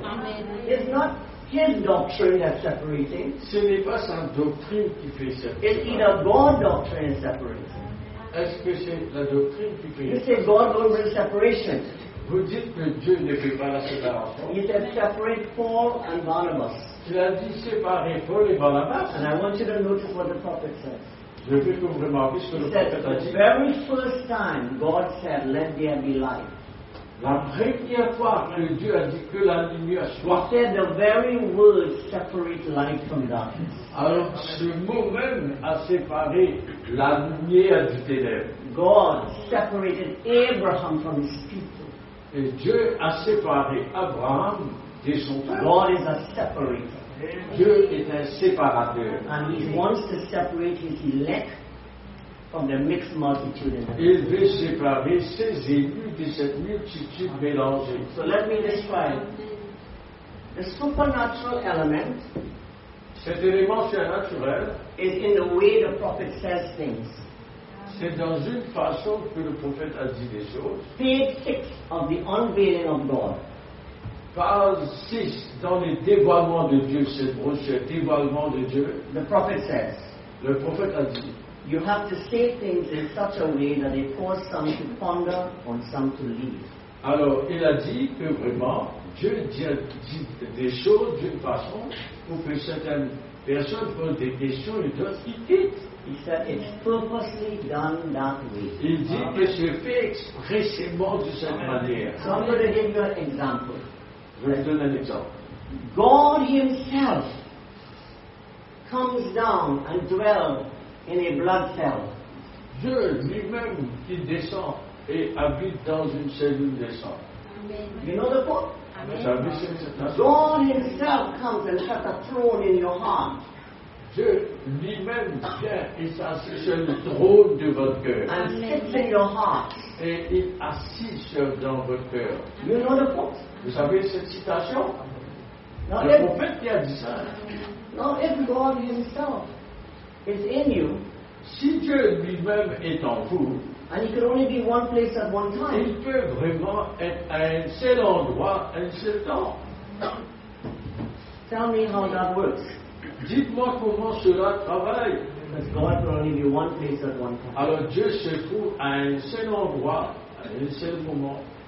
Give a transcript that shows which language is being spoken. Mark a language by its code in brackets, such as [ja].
[en] Amen. It's not his doctrine that's separating. [fr] Ce n'est pas sa doctrine qui fait cette séparation. [en] It's either God's doctrine separating. [fr] Est-ce que c'est la doctrine qui fait? [en] You say God don't bring separation. [fr] Vous dites que Dieu ne fait pas la séparation. [en] He said separate Paul and Barnabas. [fr] Tu l'as dit séparer Paul et Barnabas. [en] And I want you to notice what the prophet says. [fr] Je veux que vous remarquiez ce que [en] he [fr] le prophète a dit. [en] The very first time God said, let there be light. [fr] La première fois que Dieu a dit que la lumière soit. [en] He said the very words separate light from darkness. [fr] Alors ce mot même a séparé la lumière du ténèbre. [en] God separated Abraham from his people. [fr] Et Dieu a séparé Abraham. [en] God is a separator. [fr] Dieu est un séparateur. [en] And he wants to separate his elect from the mixed multitude. [fr] Il veut séparer ses élus de cette multitude mélangée. [en] So let me describe. The supernatural element. [fr] Cet élément surnaturel. [en] Is in the way the prophet says things. [fr] C'est dans une façon que le prophète a dit des choses. [en] Page 6 of the unveiling of God. [fr] Page 6 dans le dévoilement de Dieu, cette brochure, dévoilement de Dieu. [en] The prophet says. [fr] Le prophète a dit. [en] You have to say things in such a way that they cause some to ponder and some to leave. [fr] Alors, il a dit que vraiment, Dieu dit des choses d'une façon pour que certaines personnes posent des questions et d'autres qui quittent. [en] He said it's purposely done that way. [fr] Il dit que c'est fait expressément de cette manière. [en] So I'm going to give you an example. [fr] Je vais donner un exemple. [en] God himself comes down and dwells in a blood cell. [fr] Dieu lui-même qui descend et habite dans une cellule de sang. [en] You know the book? Amen. God himself comes and sets a throne in your heart. [fr] Dieu lui-même vient et s'assied sur le trône de votre cœur. [en] And sits in your heart. [fr] Et il assis sur dans votre cœur. [en] You know the quote. [fr] Vous savez cette citation? [en] Now [fr] le prophète qui a dit ça. [en] Now if God Himself is in you, [fr] si Dieu lui-même est en vous. [en] And he could only be one place at one time. [fr] Il peut vraiment être à un seul endroit, à un seul temps. [en] Tell me how that works. [fr] Dites-moi comment cela travaille. [en] God can only be one place at one time. [fr] Alors Dieu se trouve à un seul endroit, à un seul moment.